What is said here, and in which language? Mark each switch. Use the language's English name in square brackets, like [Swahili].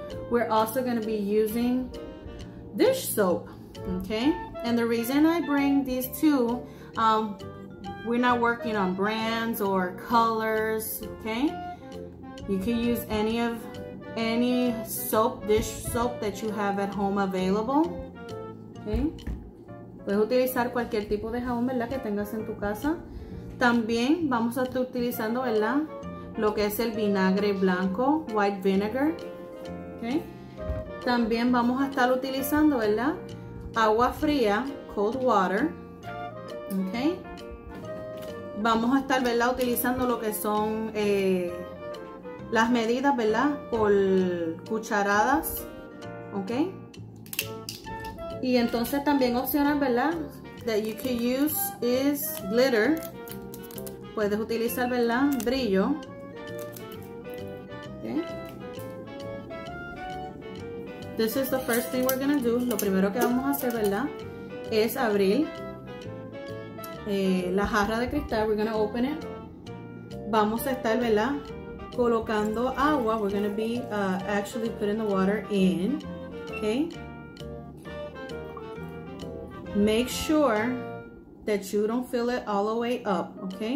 [English] We're also going to be using dish soap, okay? And the reason I bring these two, we're not working on brands or colors, okay? You can use any soap, dish soap that you have at home available. Okay. [Spanish] Puedes utilizar cualquier tipo de jabón, ¿verdad?, que tengas en tu casa. También vamos a estar utilizando, ¿verdad?, lo que es el vinagre blanco, white vinegar. Okay. También vamos a estar utilizando, ¿verdad?, agua fría, cold water. Okay. Vamos a estar, ¿verdad?, utilizando lo que son las medidas, ¿verdad?, por cucharadas. [English] Okay. [Spanish] Y entonces también opcional, ¿verdad?, [English] that you can use is glitter. [Spanish] Puedes utilizar, ¿verdad?, brillo. Okay. [English] This is the first thing we're gonna do. [Spanish] Lo primero que vamos a hacer, ¿verdad?, es abrir la jarra de cristal. [English] We're gonna open it. [Spanish] Vamos a estar, ¿verdad?, colocando agua. [English] We're gonna be actually putting the water in. Okay. Make sure that you don't fill it all the way up, okay?